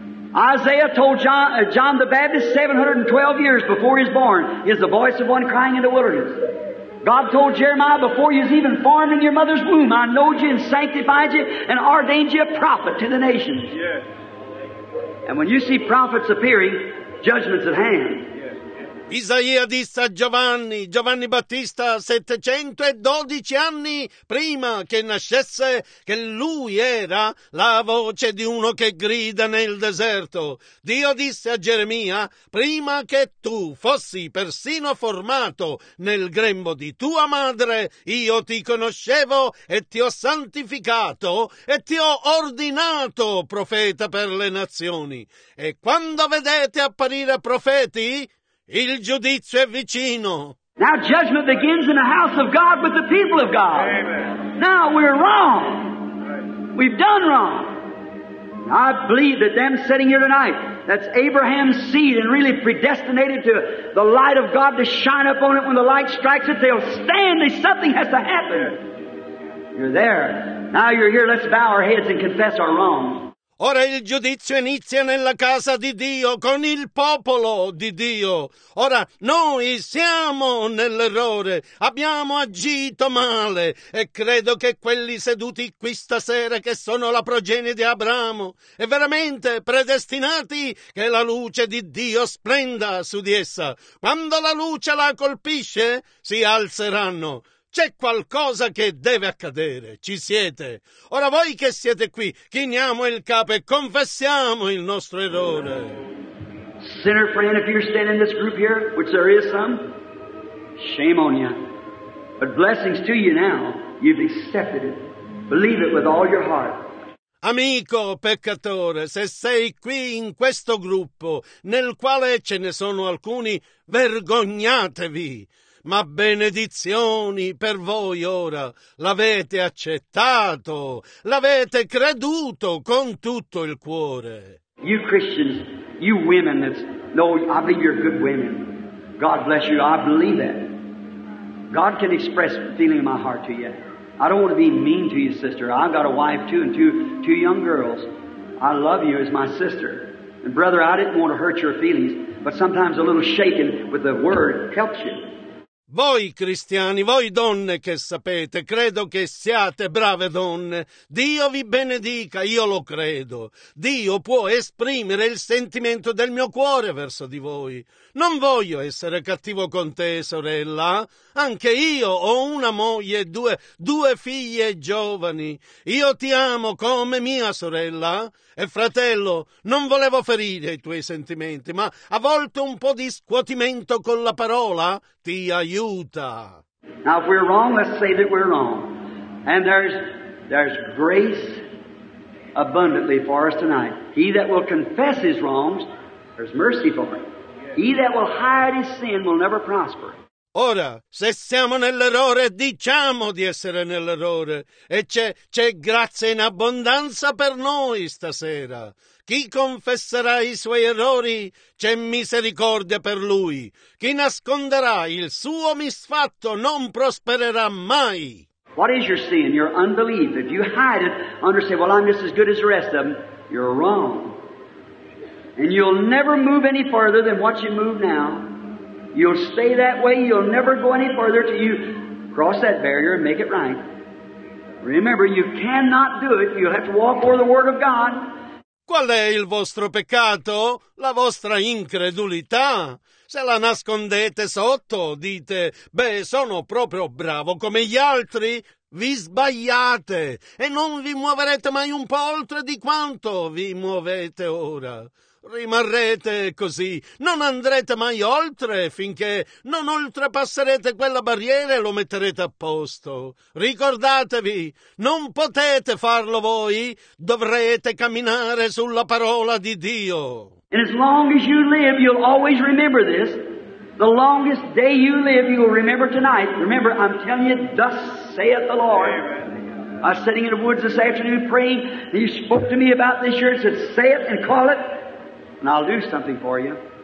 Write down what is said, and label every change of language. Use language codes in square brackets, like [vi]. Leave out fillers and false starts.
[en] Isaiah told John the Baptist 712 years before he was born, is the voice of one crying in the wilderness. God told Jeremiah, before you was even formed in your mother's womb, I know you and sanctified you and ordained you a prophet to the nations. Yes. And when you see prophets appearing, judgment's at hand. [it] Isaia disse a Giovanni Battista 712 anni prima che nascesse, che lui era la voce di uno che grida nel deserto. Dio disse a Geremia, prima che tu fossi persino formato nel grembo di tua madre, io ti conoscevo e ti ho santificato e ti ho ordinato profeta per le nazioni. E quando vedete apparire profeti, il giudizio è vicino. [en] Now judgment begins in the house of God with the people of God. Amen. Now we're wrong. We've done wrong. I believe that them sitting here tonight, that's Abraham's seed and really predestinated to the light of God to shine up on it when the light strikes it, they'll stand. Something has to happen. You're there. Now you're here. Let's bow our heads and confess our wrong. [it] Ora il giudizio inizia nella casa di Dio, con il popolo di Dio. Ora noi siamo nell'errore, abbiamo agito male e credo che quelli seduti qui stasera che sono la progenie di Abramo e veramente predestinati che la luce di Dio splenda su di essa. Quando la luce la colpisce, si alzeranno. C'è qualcosa che deve accadere, ci siete. Ora voi che siete qui, chiniamo il capo e confessiamo il nostro errore. [en] Sinner friend, if you're standing in this group here, which there is some, shame on you. But blessings to you now, you've accepted it. Believe it with all your heart. [it] Amico peccatore, se sei qui in questo gruppo, nel quale ce ne sono alcuni, vergognatevi. Ma benedizioni per voi ora, l'avete accettato, l'avete creduto con tutto il cuore. [en] You Christians, you women, I believe you're good women. God bless you, I believe that. God can express feeling in my heart to you. I don't want to be mean to you, sister. I've got a wife too and two young girls. I love you as my sister. And brother, I didn't want to hurt your feelings, but sometimes a little shaking with the word helps you. [it] Voi cristiani, voi donne che sapete, credo che siate brave donne. Dio vi benedica, io lo credo. Dio può esprimere il sentimento del mio cuore verso di voi. Non voglio essere cattivo con te, sorella. Anche io ho una moglie e due figlie giovani. Io ti amo come mia sorella. E fratello, non volevo ferire i tuoi sentimenti, ma a volte un po' di scuotimento con la parola ti aiuta. [en] Now, if we're wrong, let's say that we're wrong. And there's grace abundantly for us tonight. He that will confess his wrongs, there's mercy for him. He that will hide his sin will never prosper. [it] Ora, se siamo nell'errore, diciamo di essere nell'errore. E c'è grazia in abbondanza per noi stasera. Chi confesserà i suoi errori, c'è misericordia per lui. Chi nasconderà il suo misfatto non prospererà mai. [en] What is your sin? Your unbelief. If you hide it under, say, well, I'm just as good as the rest of them, you're wrong. And you'll never move any further than what you move now. You'll stay that way. You'll never go any further till you cross that barrier and make it right. Remember, you cannot do it. You'll have to walk over the Word of God. [it] Qual è il vostro peccato? La vostra incredulità. Se la nascondete sotto, dite, beh, sono proprio bravo come gli altri. Vi sbagliate e non vi muoverete mai un po' oltre di quanto vi muovete ora. Rimarrete così, non andrete mai oltre finché non oltrepasserete quella barriera e lo metterete a posto. Ricordatevi, non potete farlo voi, dovrete camminare sulla parola di Dio. [en] And as long as you live, you'll always remember this. The longest day you live, you will remember tonight. Remember, I'm telling you, thus saith the Lord. I was sitting in the woods this afternoon praying, and he spoke to me about this year, said, say it and call it. And I'll do something for you.